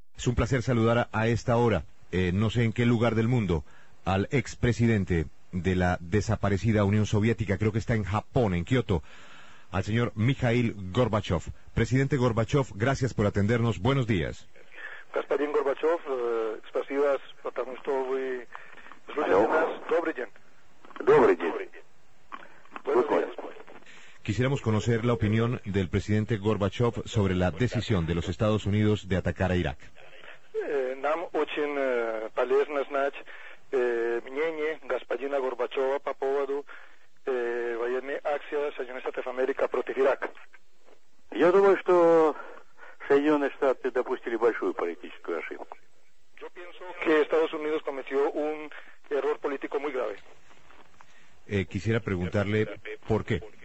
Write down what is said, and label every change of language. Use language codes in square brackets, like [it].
[es] Es un placer saludar a esta hora, no sé en qué lugar del mundo, al expresidente de la desaparecida Unión Soviética, creo que está en Japón, en Kioto, al señor Mikhail Gorbachev. Presidente Gorbachev, gracias por atendernos. Buenos días. [ru] Господин Горбачев, спасибо вас, потому что вы слышите нас. Добрый день. Добрый день. [es] Buenos días. Quisiéramos conocer la opinión del presidente Gorbachev sobre la decisión de los Estados Unidos de atacar a Irak. [ru] Нам очень полезно знать мнение господина Горбачева по поводу военной акции Соединенных Штатов Америки против Ирака. Я думаю, что Соединенные Штаты допустили большую политическую ошибку. [es] Yo pienso que Estados Unidos cometió un error político muy grave. Quisiera preguntarle por qué.